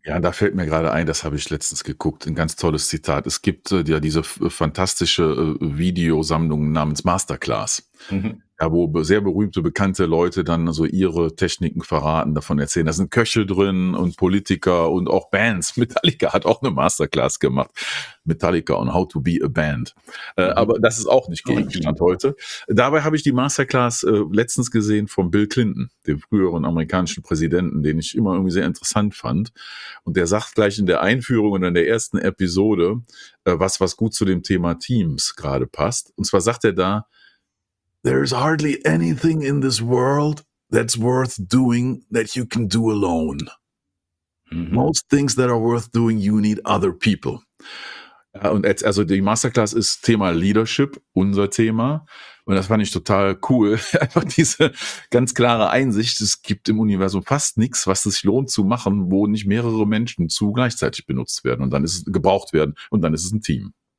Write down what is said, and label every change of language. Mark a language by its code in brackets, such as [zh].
[de] Ja, da fällt mir gerade ein, das habe ich letztens geguckt, ein ganz tolles Zitat. Es gibt ja diese fantastische Videosammlung namens Masterclass, wo sehr berühmte, bekannte Leute dann so ihre Techniken verraten, davon erzählen. Da sind Köche drin und Politiker und auch Bands. Metallica hat auch eine Masterclass gemacht. [en] Metallica on how to be a band. [de] Aber das ist auch nicht Gegenstand heute. Dabei habe ich die Masterclass letztens gesehen von Bill Clinton, dem früheren amerikanischen Präsidenten, den ich immer irgendwie sehr interessant fand. Und der sagt gleich in der Einführung und in der ersten Episode, was gut zu dem Thema Teams gerade passt. Und zwar sagt er da, [en] there's hardly anything in this world that's worth doing that you can do alone. Mm-hmm. Most things that are worth doing, you need other people. [de] Und jetzt, also die Masterclass ist Thema Leadership, unser Thema. Und das fand ich total cool. Einfach diese ganz klare Einsicht, es gibt im Universum fast nichts, was es sich lohnt zu machen, wo nicht mehrere Menschen zu gleichzeitig benutzt werden und dann ist es gebraucht werden und dann ist es ein Team.